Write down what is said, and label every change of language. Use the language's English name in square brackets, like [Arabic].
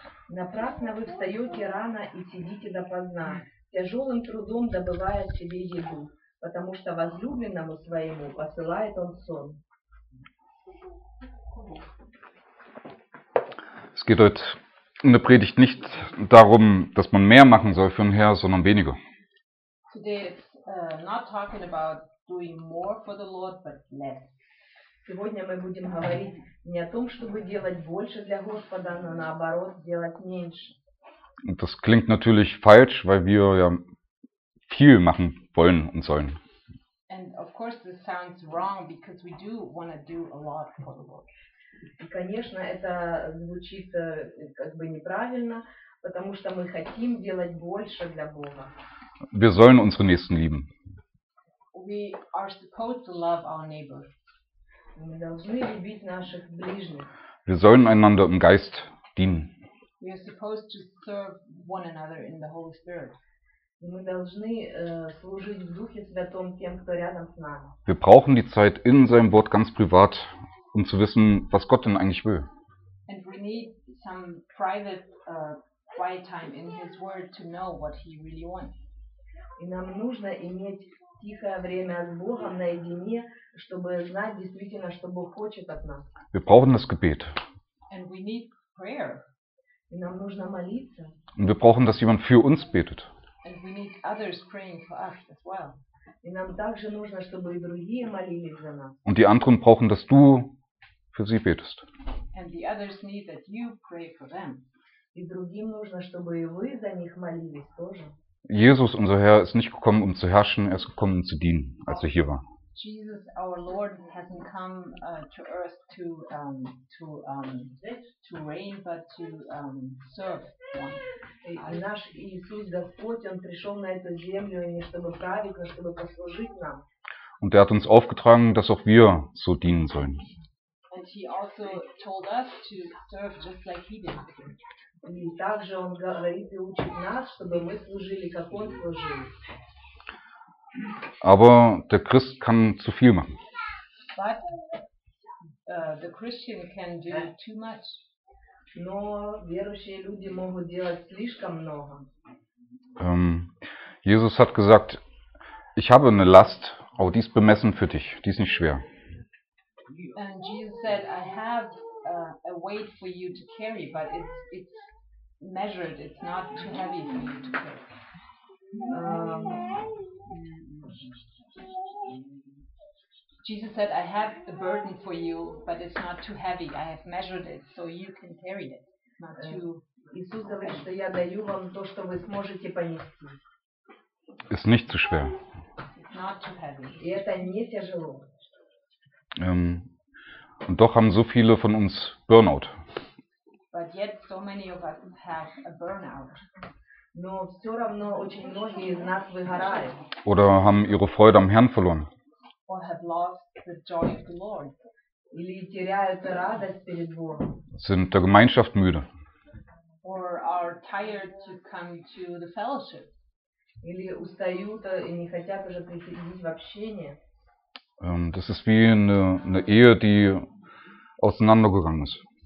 [Russian] Напрасно вы встаете рано и сидите допоздна, тяжелым трудом добывая себе еду. Потому что возлюбленному своему посылает он сон. [German] Es geht heute in der Predigt nicht darum, dass man mehr machen soll für den Herrn, sondern weniger. [English] Today it's not talking about doing more for the Lord, but less. [Russian] Сегодня мы будем говорить не о том, чтобы делать больше для Господа, но наоборот, делать меньше. [German] Und das klingt natürlich falsch, weil wir ja viel machen wollen und sollen. [English] And of course this sounds wrong because we do want to do a lot for the Lord. [Russian] И, конечно, это звучит как бы неправильно, потому что мы хотим делать больше для Бога. [German] Wir sollen unsere Nächsten lieben. [English] We are supposed to love our neighbor. [Russian] Мы должны любить наших ближних. [German] Wir sollen einander im Geist dienen. [English] We are supposed to serve one another in the Holy Spirit. [Russian] Мы должны служить в Духе Святом тем, кто рядом с нами. [German] Wir brauchen die Zeit in seinem Wort ganz privat, um zu wissen, was Gott denn eigentlich will. [English] And we need some private quiet time in his word to know what he really wants. [Russian] И нам нужно иметь тихое время с Богом наедине, чтобы знать действительно, что Бог хочет от нас. [German] Wir brauchen das Gebet. [English] And we need prayer. [Russian] И нам нужно молиться. [German] Und wir brauchen, dass jemand für uns betet. [English] And we need others praying for us as well. [Russian] И нам также нужно, чтобы и другие молились за нас. [German] Und die anderen brauchen, dass du für sie betest. [English] And the others need that you pray for them. [Russian] И другим нужно, чтобы и вы за них молились тоже. [German] Jesus, unser Herr, ist nicht gekommen, um zu herrschen, er ist gekommen, um zu dienen, als er hier war. [English] Jesus, our Lord, hasn't come to earth to reign, but to serve. [Russian] А наш Иисус Господь, Он пришел на эту землю не чтобы править, но чтобы послужить нам. [German] Und er hat uns aufgetragen, dass auch wir so dienen sollen. [English] And he also told us to serve just like he did. [Russian] И также Он говорит и учит нас, чтобы мы служили, как Он служил. [German] Aber der Christ kann zu viel machen. [English] But the Christian can do too much. [Russian] Но верующие люди могут делать слишком много. [German] Jesus hat gesagt, ich habe eine Last, aber die ist bemessen für dich, die ist nicht schwer. [English] And Jesus said, I have a weight for you to carry, but it's measured, it's not too heavy for you to carry. Jesus said, I have a burden for you, but it's not too heavy. I have measured it, so you can carry it. [Russian] Иисус говорит, что я даю вам то, что вы сможете понести. [German] Ist nicht zu schwer. [English] It's not too heavy. [Russian] И это не тяжело. [German] Und doch haben so viele von uns Burnout. [English] But yet so many of us have a burnout. [Russian] Но все равно очень многие из нас выгорают. [German] Oder haben ihre Freude am Herrn verloren. [English] Or have lost the joy of the Lord. [Russian] Или теряют радость перед Богом. [German] Sind der Gemeinschaft müde. [English] Or are tired to come to the fellowship. [Russian] Или устают и не хотят уже приходить в общение. [German] Das ist wie eine Ehe, die auseinandergegangen ist.